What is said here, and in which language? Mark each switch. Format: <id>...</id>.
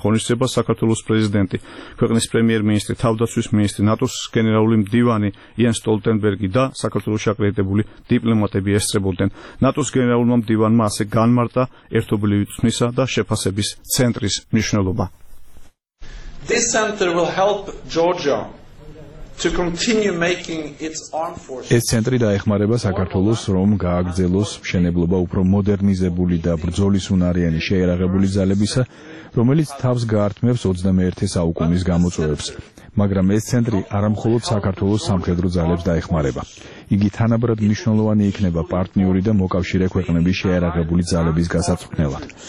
<ka>ღონისძიება საქართველოს პრეზიდენტი, ქვეყნის პრემიერ-მინისტრი, თავდაცვის მინისტრი, ნატოს გენერალური მდივანი იენს სტოლტენბერგი და საქართველოს აკრედიტებული დიპლომატები ესწრებოდნენ. ნატოს გენერალურმა მდივანმა ასე განმარტა ერთობლივი წვნისა და შეფასების ცენტრის მნიშვნელობა.</ka> <en>This center will help Georgia to continue making its armed forces.</en> <ka>ეს ცენტრი დაეხმარება საქართველოს, რომ გააგრძელოს მშენებლობა უფრო მოდერნიზებული და ბრძოლის უნარიანი შეერაღებული ძალებისა, რომელიც თავს გაართმევს 21 საუკუნის გამოწვევებს. მაგრამ ეს ცენტრი არამხოლოდ საქართველოს სამხედრო ძალებს დაეხმარება. იგი თანაბრად მნიშვნელოვანი იქნება პარტნიორი და მოკავშირე ქვეყნების შეერაღებული ძალების გასაწვრთნელად.</ka>